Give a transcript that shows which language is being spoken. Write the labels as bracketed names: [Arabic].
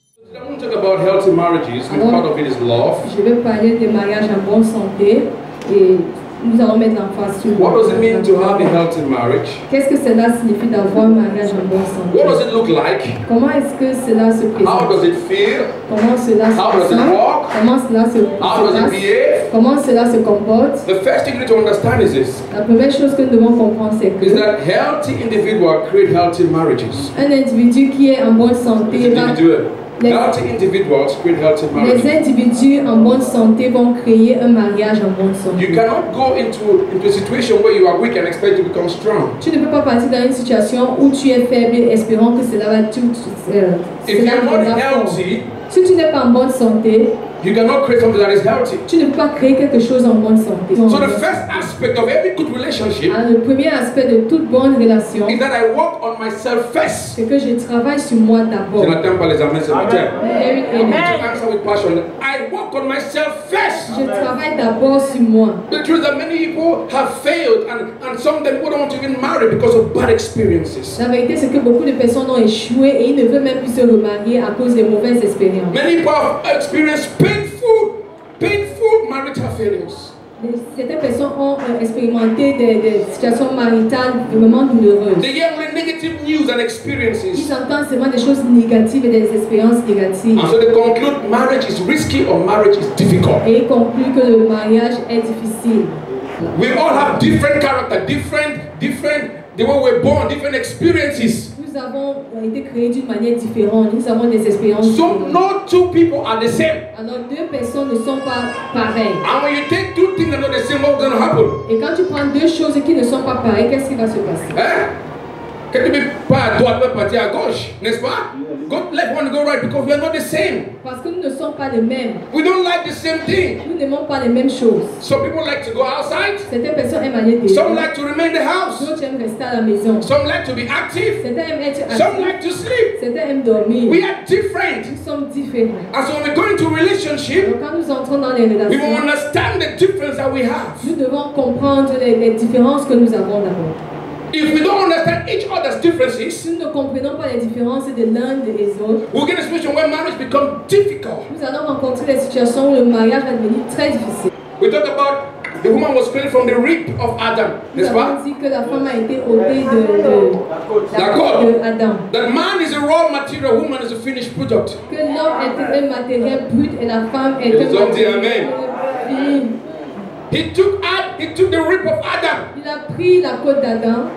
[English] healthy marriages, which part of it is love. [French] Je vais parler des mariages en bonne santé et nous allons mettre en face sur. [English] What does it mean to have a healthy marriage? [French] Qu'est-ce que cela signifie d'avoir un mariage en bonne santé? [English] What does it look like? [French] Comment est-ce que cela se présente? [English] How does it feel? [French] Comment cela se [English] How [French] passe? [English] Does it work? [French] Comment cela se [English] How does it behave? [French] Comment cela se comporte? [English] The first thing we need to understand is this. [French] La première chose que nous devons comprendre c'est que. [English] Is that healthy individual create healthy marriages? [French] Un individu qui est en bonne santé va. Les individus en bonne santé vont créer un mariage en bonne santé. [English] You cannot go into a situation where you are weak and expect to become strong. [French] Tu ne peux pas partir dans une situation où tu es faible espérant que cela va tout [English] healthy, [French] si tu n'es pas en bonne santé, [English] you cannot create something that is healthy. [French] Tu ne peux pas créer quelque chose en bonne santé. [English] So the first aspect of every good relationship. [French] Alors, le premier aspect de toute bonne relation. [English] Is that I work on myself first. [French] C'est que je travaille sur moi d'abord. Je n'attends pas les amis, c'est Amen. Amen. [English] I need to answer with passion. I work on myself first. [French] Amen. Je travaille d'abord sur moi. [English] The truth is that many people have failed and some of them wouldn't want to even marry because of bad experiences. [French] La vérité c'est que beaucoup de personnes ont échoué et ils ne veulent même plus se remarier à cause des mauvaises expériences. [English] Many people have experienced pain. Painful marital failures. [French] Certaines personnes ont expérimenté des situations maritales vraiment douloureuses. [English] They hear only negative news and experiences. [French] Ils entendent seulement des choses négatives et des expériences négatives. [English] And so they conclude marriage is risky or marriage is difficult. [French] Et ils concluent que le mariage est difficile. [English] We all have different character, different the way we're born, different experiences. [French] Nous avons été créés d'une manière différente. Nous avons des expériences. [English] So no two people are the same. [French] Alors deux personnes ne sont pas pareilles. [English] And when you take two things that are the same, what's going to happen? [French] Et quand tu prends deux choses qui ne sont pas pareilles, qu'est-ce qui va se passer? Hein? Quand tu mets pas à droite, pas partir à gauche, n'est-ce pas? [English] Go left, one go right, because we are not the same. [French] Parce que nous ne sommes pas les mêmes. [English] We don't like the same thing. [French] Nous n'aimons pas les mêmes choses. [English] Some people like to go outside. [French] Certaines personnes aiment aller dehors. [English] Some like to remain in the house. [French] D'autres aiment rester à la maison. [English] Some like to be active. [French] Certaines aiment être actifs. [English] Some like to sleep. [French] Certaines aiment dormir. [English] We are different. [French] Nous sommes différents. [English] And so when we go into relationship, [French] alors quand nous entrons dans les relations, [English] we will understand the difference that we have. [French] Nous devons comprendre les différences que nous avons d'abord. [English] If we don't understand each other's differences, [French] si nous ne comprenons pas les différences de l'un et des autres, [English] we'll get a situation where marriage becomes difficult. [French] Nous allons rencontrer des situations où le mariage va devenir très difficile. [English] We talked about the woman was created from the rib of Adam, [French] n'est-ce pas? Nous avons dit que la femme a été ôtée de Adam. [English] That man is a raw material, woman is a finished product. [French] Que l'homme est un matériel brut et la femme est un matériel fini. [English] He took the rib of Adam. [French] Il a pris la côte d'Adam.